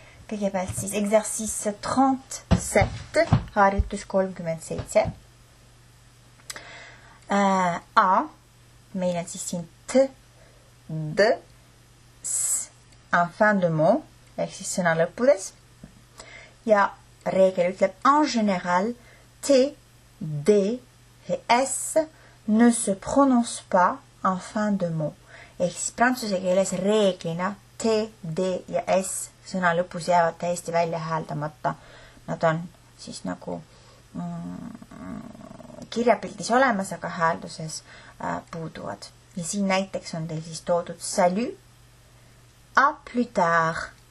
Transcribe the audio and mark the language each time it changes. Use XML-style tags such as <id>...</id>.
<et>Kõigepealt siis</et> <fr>exercice 37,</fr> <et>harjutus 37. A, meil on siis siin t, d, s,</et> <fr>en fin de mot,</fr> <et>ehk siis sõna lõppudes. Ja reegel ütleb,</et> <fr>en général, t, d et s ne se prononce pas en fin de mot.</fr> <et>Ehk siis prantsuse keeles reeglina t, d ja s sõna lõpus jäävad täiesti välja hääldamata. Nad on siis nagu kirjapildis olemas, aga häälduses puuduvad. Ja siin näiteks on teil siis toodud</et> <fr>salut, à plus tard.</fr>